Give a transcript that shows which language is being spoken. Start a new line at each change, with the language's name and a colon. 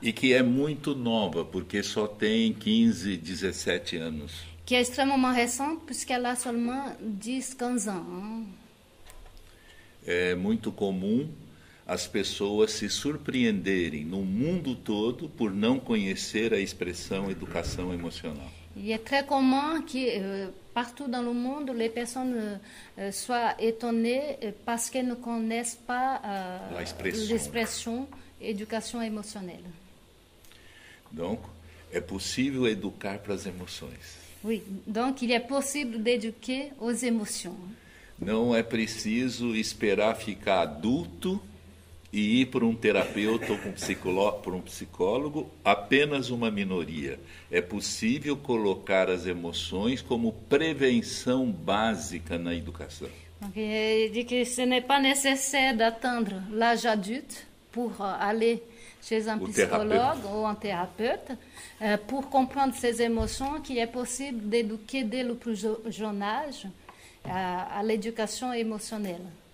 Portuguese: E que é muito nova, porque só tem 15, 17 anos.
French: Qui est extrêmement récente, puisqu'elle a seulement 10, 15 ans.
Portuguese: É muito comum as pessoas se surpreenderem no mundo todo por não conhecer a expressão educação emocional.
French: Il est très commun que partout dans le monde, les personnes soient étonnées parce qu'elles ne connaissent pas
Portuguese: A expressão.
French: l'expression éducation émotionnelle. Donc,
Portuguese: é possível educar para as emoções.
French: Oui, donc il est possible d'éduquer aux émotions.
Portuguese: Não é preciso esperar ficar adulto e ir para um terapeuta ou para um psicólogo, apenas uma minoria. É possível colocar as emoções como prevenção básica na educação.
French: Okay, de que ce n'est pas nécessaire d'attendre l'âge adulte pour aller chez un
Portuguese: O terapeuta.
French: psychologue ou un thérapeute pour comprendre ses émotions, qu'il est possible d'éduquer dès le plus jeune âge à l'éducation émotionnelle.